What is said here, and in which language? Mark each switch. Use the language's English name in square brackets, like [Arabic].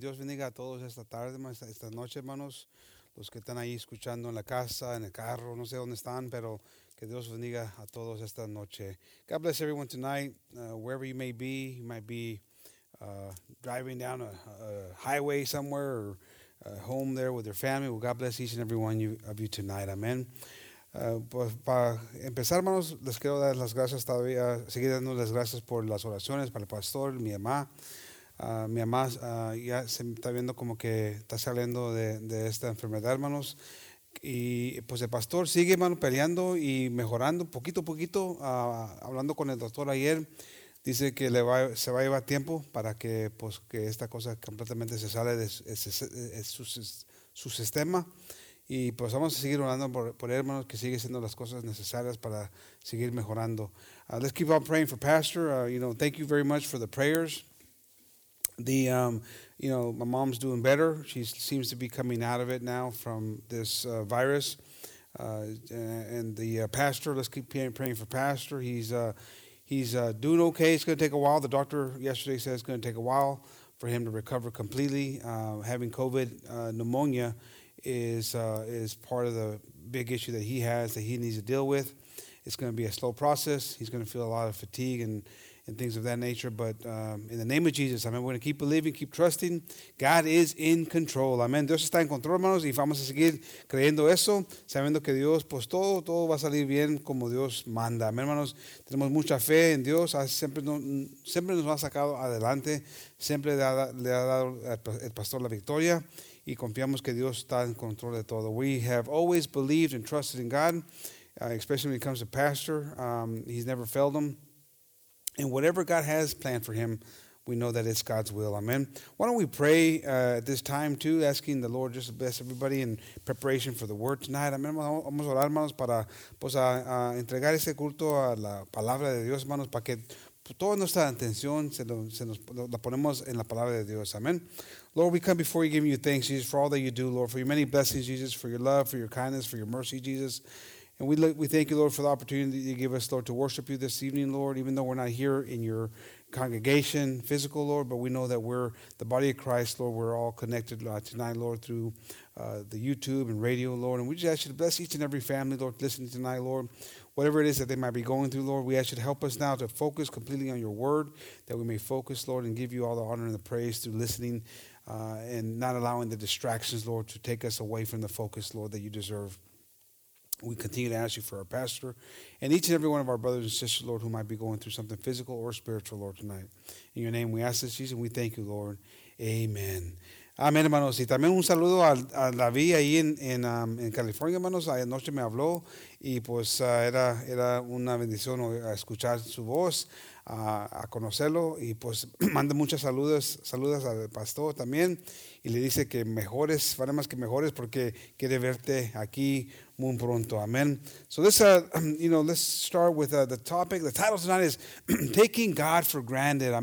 [Spanish] Dios bendiga a todos esta tarde, esta noche, hermanos. Los que están ahí escuchando en la casa, en el carro, no sé dónde están, pero que Dios bendiga a todos esta noche. [English] God bless everyone tonight, wherever you may be. You might be driving down a highway somewhere or home there with your family. Well, God bless each and every one of you tonight. Amen. [Spanish] Pues para empezar, hermanos, les quiero dar las gracias todavía, seguir dando las gracias por las oraciones para el pastor, mi mamá. Mi mamá ya se está viendo como que está saliendo de esta enfermedad, hermanos. Y pues el pastor sigue, hermano, peleando y mejorando poquito a poquito. Hablando con el doctor ayer, dice que se va a llevar tiempo para que, pues, que esta cosa completamente se sale de su sistema. Y pues vamos a seguir orando por él, hermanos, que sigue haciendo las cosas necesarias para seguir mejorando. [English] Let's keep on praying for Pastor. You know, thank you very much for the prayers. The, you know, my mom's doing better. She seems to be coming out of it now from this virus. And the pastor, let's keep praying for Pastor. He's doing okay. It's going to take a while. The doctor yesterday said it's going to take a while for him to recover completely. Having COVID pneumonia is part of the big issue that he has that he needs to deal with. It's going to be a slow process. He's going to feel a lot of fatigue and things of that nature. But in the name of Jesus, amen, we're going to keep believing, keep trusting. God is in control. Amen. [Spanish] Dios está en control, hermanos. Y vamos a seguir creyendo eso, sabiendo que Dios, pues todo va a salir bien como Dios manda. Amen, hermanos. Tenemos mucha fe en Dios. Siempre nos ha sacado adelante. Siempre le ha dado al pastor la victoria. Y confiamos que Dios está en control de todo. [English] We have always believed and trusted in God, especially when it comes to Pastor. He's never failed him. And whatever God has planned for him, we know that it's God's will. Amen. Why don't we pray at this time, too, asking the Lord just to bless everybody in preparation for the word tonight. Amen. [Spanish] Vamos a orar, hermanos, para pues, a entregar este culto a la palabra de Dios, hermanos, para que toda nuestra atención la ponemos en la palabra de Dios. Amen. [English] Lord, we come before you giving you thanks, Jesus, for all that you do, Lord, for your many blessings, Jesus, for your love, for your kindness, for your mercy, Jesus. And we thank you, Lord, for the opportunity you give us, Lord, to worship you this evening, Lord, even though we're not here in your congregation, physical, Lord, but we know that we're the body of Christ, Lord. We're all connected tonight, Lord, through the YouTube and radio, Lord. And we just ask you to bless each and every family, Lord, listening tonight, Lord. Whatever it is that they might be going through, Lord, we ask you to help us now to focus completely on your word, that we may focus, Lord, and give you all the honor and the praise through listening and not allowing the distractions, Lord, to take us away from the focus, Lord, that you deserve. We continue to ask you for our pastor and each and every one of our brothers and sisters, Lord, who might be going through something physical or spiritual, Lord, tonight. In your name we ask this, Jesus, and we thank you, Lord. [Spanish] Amen. Amén, hermanos. Y también un saludo a David ahí en California, hermanos. Anoche me habló y pues era una bendición escuchar su voz, a conocerlo. Y pues manda muchas saludos al pastor también. Y le dice que mejores, vale más que mejores, porque quiere verte aquí muy pronto. Amén. [English] So let's, you know, let's start with the topic. The title tonight is Taking God for Granted.